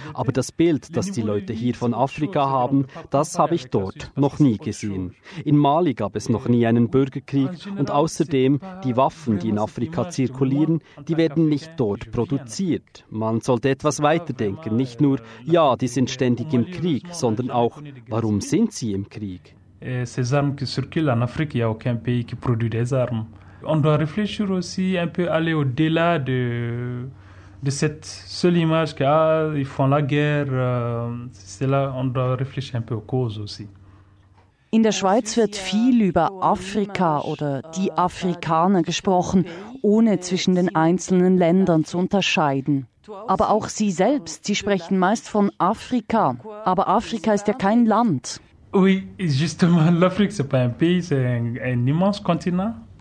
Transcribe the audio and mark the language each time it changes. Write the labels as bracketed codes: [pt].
[de] Aber das Bild, das die Leute hier von Afrika haben, das habe ich dort noch nie gesehen. In Mali gab es noch nie einen Bürgerkrieg und außerdem, die Waffen, die in Afrika zirkulieren, die werden nicht dort produziert. Man sollte etwas weiterdenken, nicht nur, ja, die sind ständig im Krieg, sondern auch, warum sind sie im Krieg? [fr] Ces armes qui circulent en Afrique, il n'y a aucun pays qui produit des armes. On doit réfléchir aussi un peu aller au-delà de cette seule image que ah, ils font la guerre, c'est là on doit réfléchir un peu aux causes aussi. [de] In der Schweiz wird viel über Afrika oder die Afrikaner gesprochen, ohne zwischen den einzelnen Ländern zu unterscheiden. Aber auch Sie selbst, Sie sprechen meist von Afrika, aber Afrika ist ja kein Land. [fr] Oui, justement, l'Afrique c'est pas un pays, c'est un immense continent.